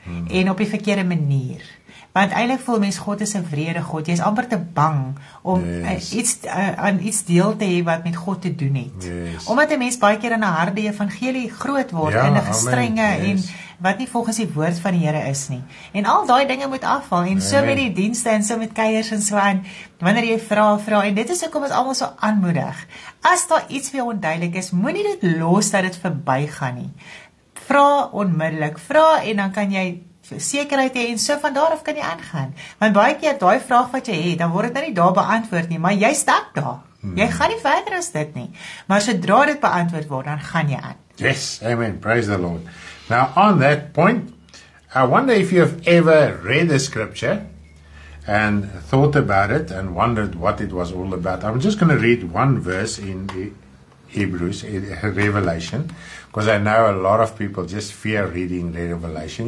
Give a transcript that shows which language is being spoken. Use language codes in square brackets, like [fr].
[af] En op die verkeerde manier. Want eintlik voel mens, God is 'n wrede God. Jy is amper te bang om iets aan iets deel te hê wat met God te doen het. [en] Yes. [af] Omdat 'n mens baie keer in 'n harde evangelie groot word, in 'n gestrenge en wat nie volgens die woord van die Here is nie. En al daai dinge moet afval, en so met die dienste en so met kuiers en so aan, wanneer jy vra, en dit is hoekom ons almal so aanmoedig. As daar iets vir jou onduidelik is, moenie dit los dat dit verbygaan nie. Vra onmiddellik, vra, en dan kan jy sekerheid hê, en so van daar af kan jy aangaan. Want baie keer, daai vraag wat jy het, dan word dit nou nie daar beantwoord nie, maar jy stap daar. Jy gaan nie verder as dit nie. Maar sodra dit beantwoord word, dan gaan jy aan. [en] Yes, amen, praise the Lord. Now, on that point, I wonder if you have ever read the scripture and thought about it and wondered what it was all about. I'm just going to read one verse in the Hebrews, Revelation, because I know a lot of people just fear reading Revelation.